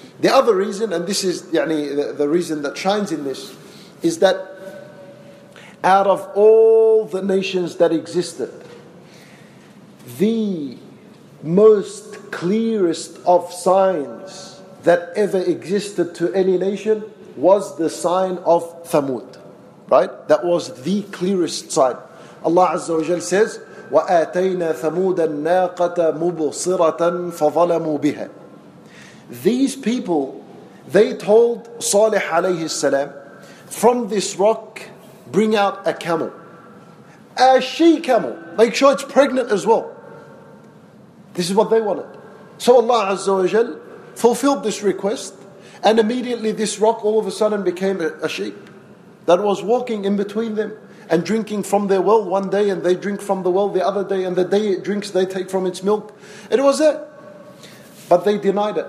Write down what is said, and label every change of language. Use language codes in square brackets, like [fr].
[en] The other reason, and this is the reason that shines in this, is that out of all the nations that existed, the most clearest of signs that ever existed to any nation was the sign of Thamud, right? That was the clearest sign. Allah Azza wa Jal says, [ar] وَآتَيْنَا ثَمُودَ النَّاقَةَ مُبُصِرَةً فَظَلَمُوا بِهَا. [en] These people, they told Salih alayhi salam, from this rock, bring out a camel. A she-camel. Make sure it's pregnant as well. This is what they wanted. So Allah Azza wa Jal fulfilled this request. And immediately this rock all of a sudden became a sheep that was walking in between them and drinking from their well one day, and they drink from the well the other day, and the day it drinks they take from its milk. It was it. But they denied it.